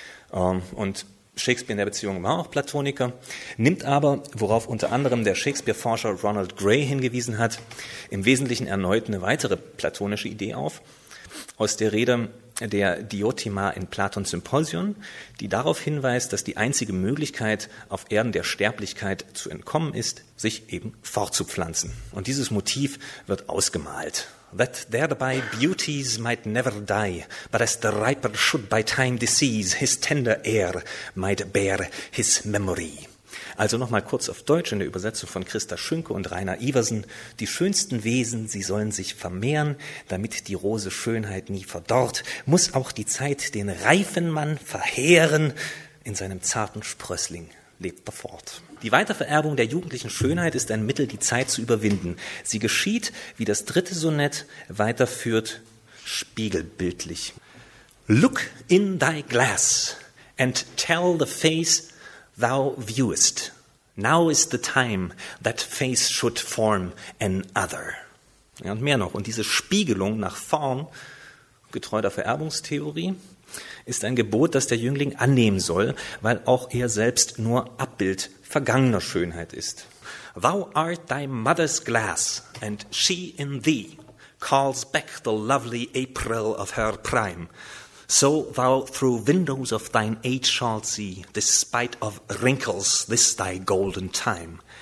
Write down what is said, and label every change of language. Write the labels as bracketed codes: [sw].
[de] Und Shakespeare in der Beziehung war auch Platoniker, nimmt aber, worauf unter anderem der Shakespeare-Forscher Ronald Gray hingewiesen hat, im Wesentlichen erneut eine weitere platonische Idee auf, aus der Rede der Diotima in Platons Symposion, die darauf hinweist, dass die einzige Möglichkeit, auf Erden der Sterblichkeit zu entkommen ist, sich eben fortzupflanzen. Und dieses Motiv wird ausgemalt. [en] That thereby beauties might never die, but as the riper should by time decease, his tender air might bear his memory. [de] Also nochmal kurz auf Deutsch in der Übersetzung von Christa Schünke und Rainer Iversen. Die schönsten Wesen, sie sollen sich vermehren, damit die Rose Schönheit nie verdorrt, muss auch die Zeit den reifen Mann verheeren, in seinem zarten Sprössling lebt er fort. Die Weitervererbung der jugendlichen Schönheit ist ein Mittel, die Zeit zu überwinden. Sie geschieht, wie das dritte Sonett weiterführt, spiegelbildlich. [en] Look in thy glass and tell the face thou viewest. Now is the time that face should form another. [de] Ja, und mehr noch, und diese Spiegelung nach vorn, getreu der Vererbungstheorie, ist ein Gebot, das der Jüngling annehmen soll, weil auch er selbst nur Abbild vergangener Schönheit ist. [en] Thou art thy mother's glass, and she in thee calls back the lovely April of her prime. So thou through windows of thine age shalt see, despite of wrinkles, this thy golden time.